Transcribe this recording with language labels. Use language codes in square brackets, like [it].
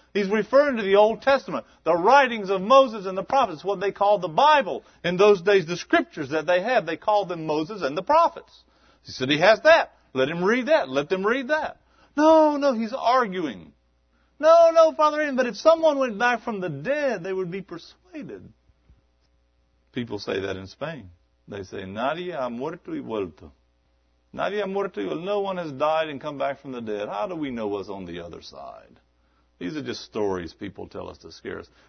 [en] He's referring to the Old Testament, the writings of Moses and the prophets, what they called the Bible in those days, the scriptures that they had. They called them Moses and the prophets. He said he has that. Let him read that. Let them read that. No, no, he's arguing. No, no, Father, but if someone went back from the dead, they would be persuaded. People say that in Spain. They say, [es] nadie ha muerto y vuelto. Nadie ha muerto y vuelto. [en] No one has died and come back from the dead. How do we know what's on the other side? These are just stories people tell us to scare us.